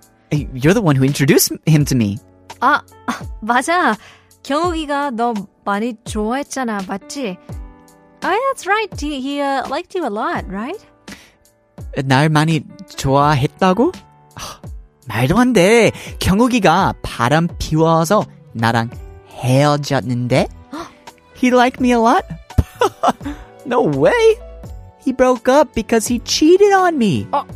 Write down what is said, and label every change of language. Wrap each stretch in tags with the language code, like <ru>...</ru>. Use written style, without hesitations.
<en>You're the one who introduced him to me.</en> <ko>아, 맞아. 경욱이가 너 많이 좋아했잖아, 맞지?</ko> <en>Oh, yeah, that's right. He liked you a lot, right?</en> <ko>날 많이 좋아했다고? 말도 안 돼. 경욱이가 바람 피워서 나랑 헤어졌는데.</ko> <en>He liked me a lot? No way. He broke up because he cheated on me.</en>